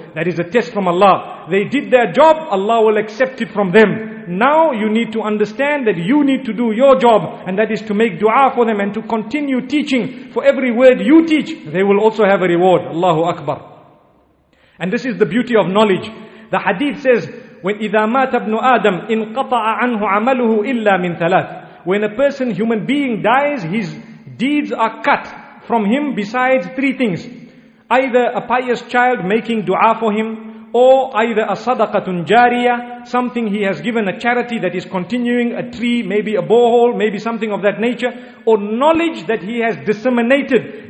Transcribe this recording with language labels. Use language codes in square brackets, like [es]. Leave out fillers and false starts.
[en] That is a test from Allah. They did their job, Allah will accept it from them. Now you need to understand that you need to do your job, and that is to make dua for them and to continue teaching. For every word you teach, they will also have a reward. Allahu Akbar. And this is the beauty of knowledge. The hadith says, when [ar] إِذَا مَاتَ ابْنُ آدَمْ إِنْ قَطَعَ عَنْهُ عَمَلُهُ إِلَّا مِنْ ثَلَاثٍ. [en] When a person, human being, dies, his deeds are cut from him besides three things. Either a pious child making dua for him, or either a sadaqatun jariya, something he has given, a charity that is continuing, a tree, maybe a borehole, maybe something of that nature, or knowledge that he has disseminated.